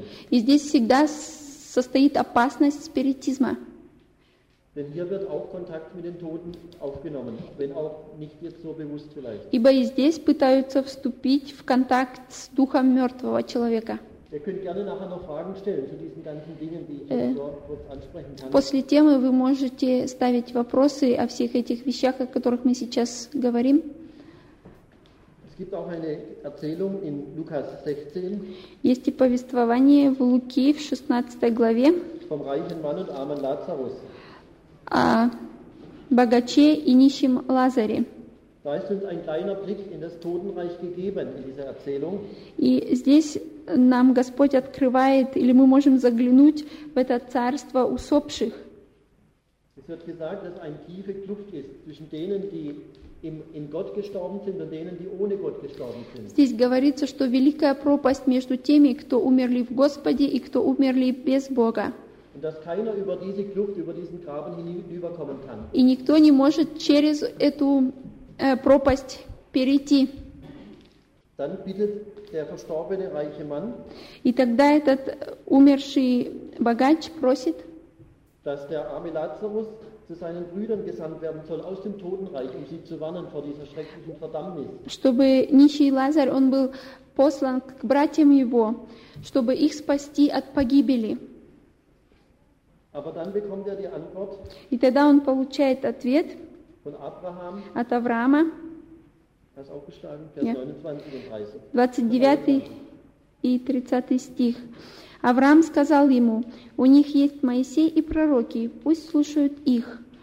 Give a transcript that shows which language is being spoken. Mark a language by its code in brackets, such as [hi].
[ru] И здесь всегда состоит опасность спиритизма. [de] Denn hier wird auch Kontakt mit den Toten aufgenommen, wenn auch nicht jetzt so bewusst vielleicht. [ru] Ибо и здесь пытаются вступить в контакт с духом мертвого человека. [de] Ihr könnt gerne nachher noch Fragen stellen zu diesen ganzen Dingen, die ich dort ansprechen kann. [ru] После темы вы можете ставить вопросы о всех этих вещах, о которых мы сейчас говорим. [de] Es gibt auch eine Erzählung in Lukas 16. [ru] Есть и повествование в Луки в 16 главе. [de] Vom reichen Mann und armen Lazarus. [ru] О богаче и нищем Лазаре. [de] Da ist uns ein kleiner Blick in das Totenreich gegeben, in dieser Erzählung. [ru] И здесь нам Господь открывает, или мы можем заглянуть в это царство усопших. [de] Es wird gesagt, dass eine tiefe Kluft ist zwischen denen, die in Gott gestorben sind und denen, die ohne Gott gestorben sind. [ru] Здесь говорится, что великая пропасть между теми, кто умерли в Господе и кто умерли без Бога. [de] Und dass keiner über diese Kluft, über diesen Graben hinüberkommen kann. [ru] И никто не может через эту пропасть перейти. [de] Dann bittet der verstorbene reiche Mann. [ru] И тогда этот умерший богач просит, [de] dass der arme Lazarus zu seinen Brüdern gesandt werden soll aus dem Totenreich, um sie zu warnen vor dieser schrecklichen Verdammnis. [ru] Чтобы нищий Лазарь, он был послан к братьям его, чтобы их спасти от погибели. [de] Aber dann bekommt er die Antwort. [ru] И тогда он получает ответ [de] von Abraham, [ru] от Авраама. [de] Hast auch geschlagen, Vers 29 und 30. [ru] 29 и 30 стих. Авраам сказал ему: «У них есть Моисей и пророки, пусть слушают их».